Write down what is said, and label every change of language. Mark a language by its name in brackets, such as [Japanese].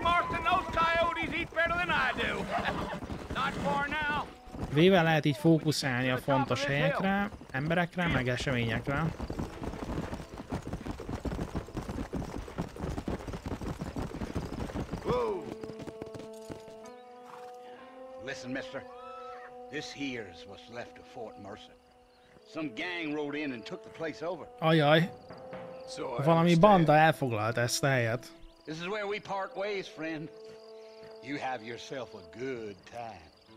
[English] Marston, those coyotes eat better than I do. Not far now. [Hungarian] Véve lehet így fókuszálni a fontos helyekre, emberekre, meg eseményekre. [English] Listen, mister. This here is what's left of Fort Mercer. Some gang rode in and took the place over. [Hungarian] Ajaj. Valami banda elfoglalt ezt a helyet. [English] This is where we part ways, friend. You have yourself a good time.